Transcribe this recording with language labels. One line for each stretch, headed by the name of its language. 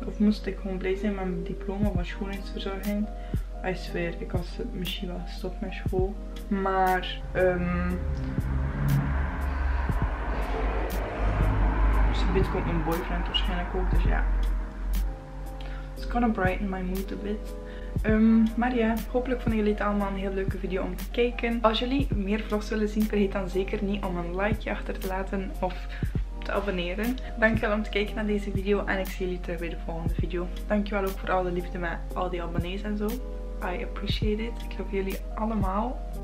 Dutch: Of moest ik gewoon blij zijn met mijn diploma van schoonheidsverzorging?
English: I swear,
Dutch: ik was misschien wel gestopt met school. Maar, Zobiet komt mijn boyfriend waarschijnlijk ook, dus ja.
English: It's gonna brighten my mood a bit.
Dutch: Maar ja, hopelijk vonden jullie het allemaal een heel leuke video om te kijken. Als jullie meer vlogs willen zien, vergeet dan zeker niet om een likeje achter te laten of... te abonneren. Dankjewel om te kijken naar deze video en ik zie jullie terug bij de volgende video. Dankjewel ook voor al de liefde met al die abonnees en zo.
English: I appreciate it.
Dutch: Ik love jullie allemaal.